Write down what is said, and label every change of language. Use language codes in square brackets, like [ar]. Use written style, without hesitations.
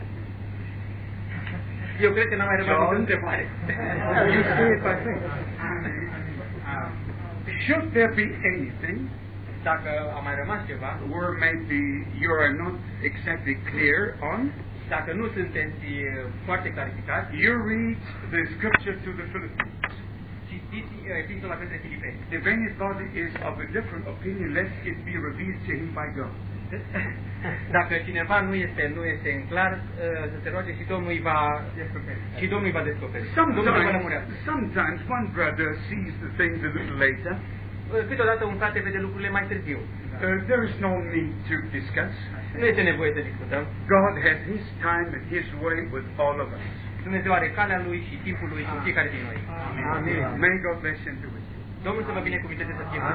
[en] John, you see if I think. Should there be anything? [ro] Dacă a mai rămas ceva, [en] or maybe you are not exactly clear on. [ro] Dacă nu sunteți foarte clarificat, [en] you read the scripture to the Philippians. [ro] Citiți epistola către Filipeni. [en] If any body is of a different opinion, let it be revealed to him by God. [ro] Dacă cineva nu este în clar, să se roage și Domnul îi va descoperi. Și Domnul îi va descoperi. [en] Sometimes one brother sees the things a little later. [ro] Câteodată un frate vede lucrurile mai târziu. [en] There is no need to discuss. [ro] Nu este nevoie să discutăm. [en] God has His time and His way with all of us. [ro] Dumnezeu are calea Lui și timpul Lui cu fiecare din noi. [en] Amen. May God bless you and do it. [ro] Domnul să vă binecuvinteze să fie cu